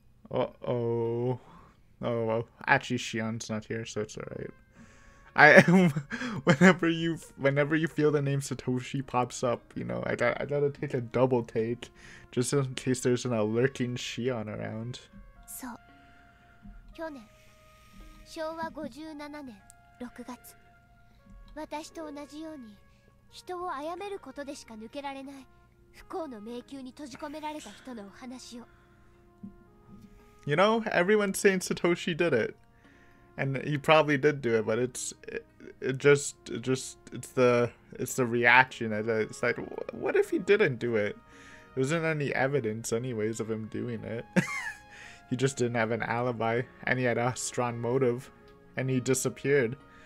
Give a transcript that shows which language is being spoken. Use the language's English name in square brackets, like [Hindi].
[English] Uh-oh. Oh, well, actually, Shion's not here, so it's alright. I am, whenever you feel the name Satoshi pops up, you know, I gotta take a double take, just in case there's a lurking Shion around. [Japanese] So, 去年昭和57年6月、私と同じように人を殺めることでしか抜けられない不幸の迷宮に閉じ込められた人のお話を。 [English] You know, everyone's saying Satoshi did it. And he probably did do it, but it's the reaction. It's like, what if he didn't do it? There isn't any evidence anyways of him doing it. He just didn't have an alibi, and he had a strong motive, and he disappeared.